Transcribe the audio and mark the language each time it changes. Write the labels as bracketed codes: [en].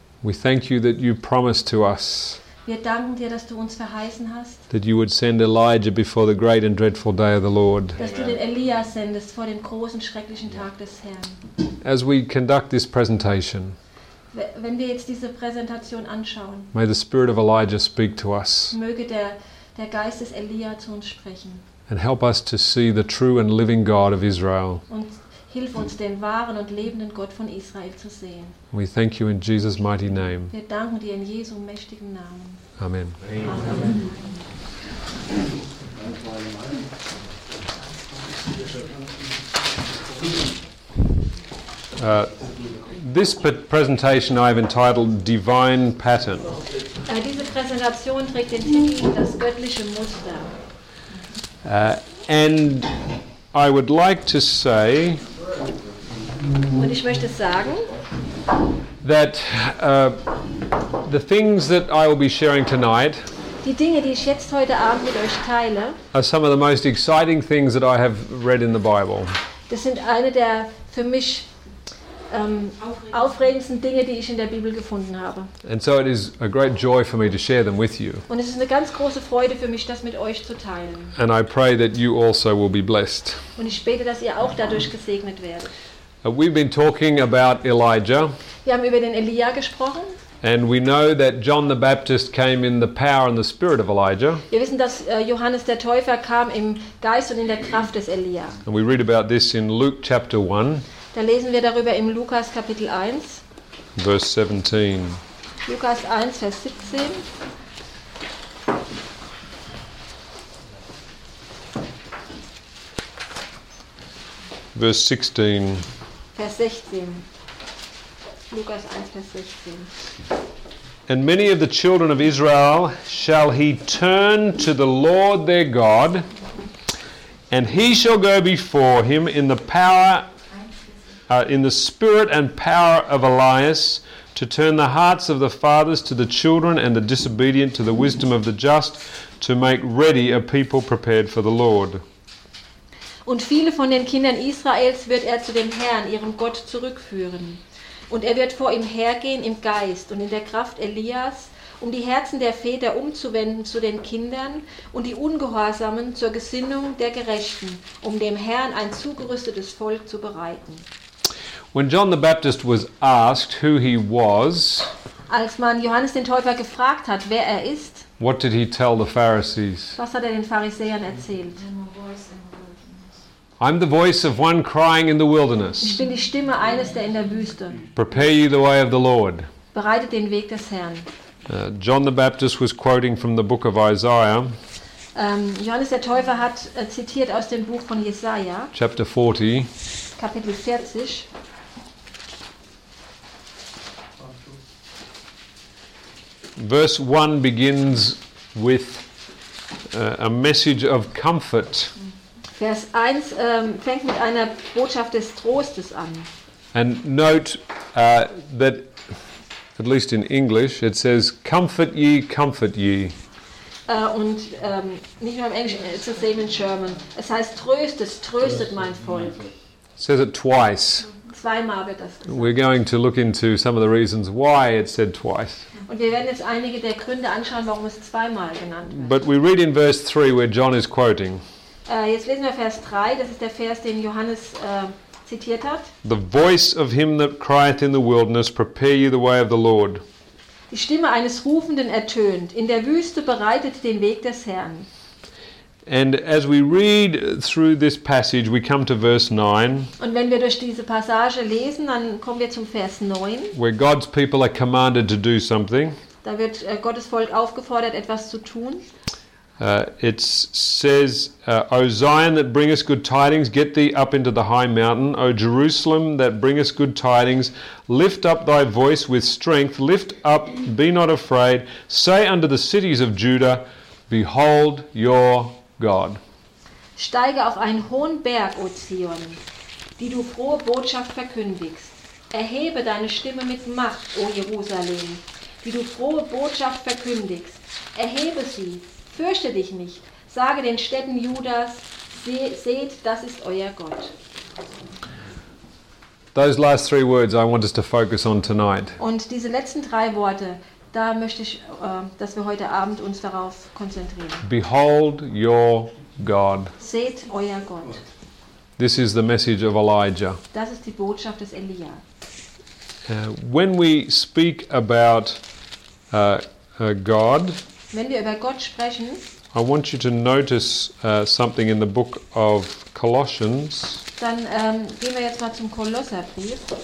[en] We thank you that you promised to us. [de] Wir danken dir, dass du uns verheißen hast. [en] That you would send Elijah before the great and dreadful day of the Lord. [de] Dass du den Elias sendest vor dem großen schrecklichen Tag des Herrn. [en] As we conduct this presentation. [de] Wenn wir jetzt diese Präsentation anschauen. [en] May the spirit of Elijah speak to us. [de] Möge der Geist des Elias zu uns sprechen. [en] And help us to see the true and living God of Israel. [de] Und hilf uns, den wahren und lebenden Gott von Israel zu sehen. [en] We thank you in Jesus' mighty name. [de] Wir danken dir in Jesu mächtigen Namen. [en] Amen. [de] Amen. [en] This presentation I have entitled Divine Pattern. [de] Diese Präsentation trägt den Titel Das göttliche Muster. [en] And I would like to say. [de] Und ich möchte sagen, [en] that the things that I will be sharing tonight, [de] Die Dinge, die ich jetzt heute Abend mit euch teile, [en] are some of the most exciting things that I have read in the Bible. [de] Das sind eine der für mich aufregendsten Dinge, die ich in der Bibel gefunden habe. [en] And so it is a great joy for me to share them with you. [de] Und es ist eine ganz große Freude für mich, das mit euch zu teilen. [en] And I pray that you also will be blessed. [de] Und ich bete, dass ihr auch dadurch gesegnet werdet. [en] We've been talking about Elijah. [de] Wir haben über den Elia gesprochen. [en] And we know that John the Baptist came in the power and the spirit of Elijah. [de] Wir wissen, dass Johannes der Täufer kam im Geist und in der Kraft des Elia. [en] And we read about this in Luke chapter 1. [de] Da lesen wir darüber im Lukas Kapitel 1. [en] Verse 17. [de] Lukas 1, Vers 17. [en] Verse 16. [de] Vers 16. Lukas 1, Vers 16. [en] And many of the children of Israel shall he turn to the Lord their God, and he shall go before him in the power, in the spirit and power of Elias, to turn the hearts of the fathers to the children and the disobedient to the wisdom of the just, to make ready a people prepared for the Lord. [de] Und viele von den Kindern Israels wird er zu dem Herrn, ihrem Gott, zurückführen. Und er wird vor ihm hergehen im Geist und in der Kraft Elias, um die Herzen der Väter umzuwenden zu den Kindern und die Ungehorsamen zur Gesinnung der Gerechten, um dem Herrn ein zugerüstetes Volk zu bereiten. [en] When John the Baptist was asked who he was, [de] als man Johannes den Täufer gefragt hat, wer er ist, [en] what did he tell the Pharisees? [de] Was hat er den Pharisäern erzählt? [en] I'm the voice of one crying in the wilderness. [de] Ich bin die Stimme eines, der in der Wüste. [en] Prepare you the way of the Lord. [de] Bereitet den Weg des Herrn. [en] John the Baptist was quoting from the book of Isaiah. [de] Johannes der Täufer hat zitiert aus dem Buch von Jesaja. [en] Chapter 40. [de] Kapitel 40. [en] Verse 1 begins with a message of comfort. [de] Vers 1 fängt mit einer Botschaft des Trostes an. [en] And note that, at least in English, it says, comfort ye, comfort ye. [de] Und nicht nur im Englischen, [en] it's the same in German. [de] Es heißt, tröstet, tröstet mein Volk. [en] It says it twice. [de] Zweimal wird das gesagt. [en] We're going to look into some of the reasons why it said twice. [de] Und wir werden jetzt einige der Gründe anschauen, warum es zweimal genannt wird. [en] But we read in verse 3 where John is quoting. [de] Jetzt lesen wir Vers 3, das ist der Vers, den Johannes zitiert hat. [en] The voice of him that crieth in the wilderness, prepare ye the way of the Lord. [de] Die Stimme eines Rufenden ertönt, in der Wüste bereitet den Weg des Herrn. [en] And as we read through this passage, we come to verse 9. [de] Und wenn wir durch diese Passage lesen, dann kommen wir zum Vers 9. [en] Where God's people are commanded to do something. [de] Da wird Gottes Volk aufgefordert, etwas zu tun. [en] It says, O Zion that bringest good tidings, get thee up into the high mountain. O Jerusalem that bringest good tidings, lift up thy voice with strength. Lift up, be not afraid. Say unto the cities of Judah, behold your God. [de] Steige auf einen hohen Berg, O Zion, die du frohe Botschaft verkündigst. Erhebe deine Stimme mit Macht, O Jerusalem, die du frohe Botschaft verkündigst. Erhebe sie. Fürchte dich nicht. Sage den Städten Judas, seht, das ist euer Gott. [en] Those last three words I want us to focus on tonight. [de] Und diese letzten drei Worte, da möchte ich, dass wir heute Abend uns darauf konzentrieren. [en] Behold your God. [de] Seht euer Gott. [en] This is the message of Elijah. [de] Das ist die Botschaft des Elia. [en] When we speak about God, [de] wenn wir über Gott sprechen, [en] I want you to notice something in the book of Colossians. [de] Dann gehen wir jetzt mal zum Kolosserbrief.